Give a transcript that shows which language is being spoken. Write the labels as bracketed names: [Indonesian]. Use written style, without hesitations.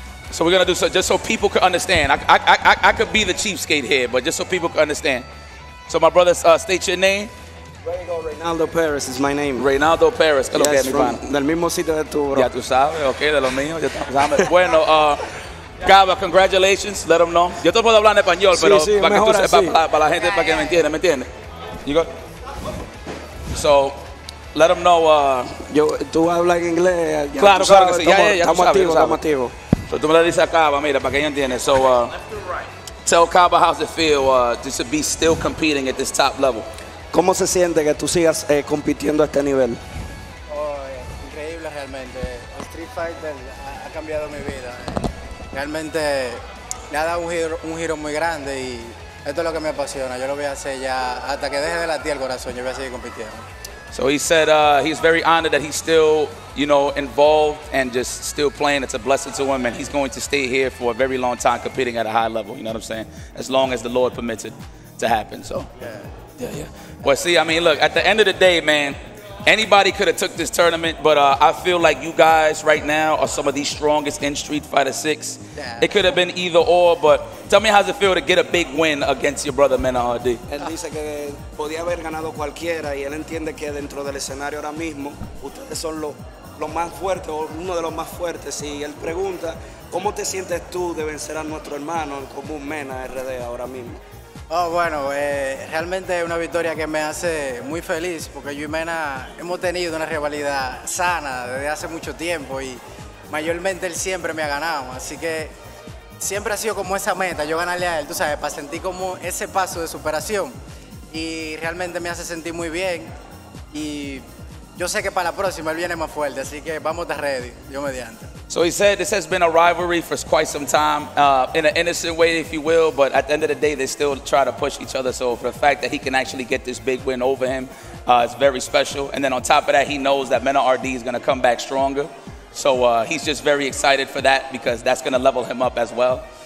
[English] So we're going to do so just so people can understand. I could be the cheapskate here, but just so people can understand. So my brother, state your name. Reynaldo Perez is my name. Reynaldo Perez. Yes, from [Spanish] del mismo sitio de tu bro. Ya tú sabes, okay, de lo mío. Bueno, Caba, [English] congratulations. Let them know. [Spanish] Yo te puedo hablar en español, pero para que tú sepas, para la gente, para que me entiende. [English] You got. So let them know. [Spanish] Yo, tú hablas en inglés. Claro, que sí. Ya tú sabes. Estamos activos. [English] So, [Spanish] tú me lo dices a Caba, mira, para que ella entienda. [English] So, tell Caba how's it feel just to be still competing at this top level. [Spanish] ¿Cómo se siente que tú sigas compitiendo a este nivel? Oh, increíble, realmente. El Street Fighter ha cambiado mi vida. Realmente me ha dado un giro muy grande y esto es lo que me apasiona. Yo lo voy a hacer ya hasta que deje de latir el corazón. Yo voy a seguir compitiendo. [English] So he said he's very honored that he's still, you know, involved and just still playing. It's a blessing to him, and he's going to stay here for a very long time competing at a high level, you know what I'm saying? As long as the Lord permits it to happen, so. Yeah. Well, see, I mean, look, at the end of the day, man, anybody could have took this tournament, but I feel like you guys right now are some of the strongest in Street Fighter 6. Yeah. It could have been either or, but tell me how's it feel to get a big win against your brother MenaRD. [Spanish] Él dice que podía haber ganado cualquiera y él entiende que dentro del escenario ahora mismo ustedes son los más fuertes o uno de los más fuertes. Y él pregunta, ¿cómo te sientes tú de vencer a nuestro hermano en común MenaRD ahora mismo? Oh, bueno, realmente es una victoria que me hace muy feliz porque yo y Mena hemos tenido una rivalidad sana desde hace mucho tiempo y mayormente él siempre me ha ganado, así que siempre ha sido como esa meta, yo ganarle a él, tú sabes, para sentir como ese paso de superación y realmente me hace sentir muy bien y yo sé que para la próxima él viene más fuerte, así que vamos a estar ready, yo mediante. [English] So he said this has been a rivalry for quite some time, in an innocent way, if you will, but at the end of the day, they still try to push each other. So for the fact that he can actually get this big win over him, it's very special. And then on top of that, he knows that MenaRD is going to come back stronger. So he's just very excited for that, because that's going to level him up as well.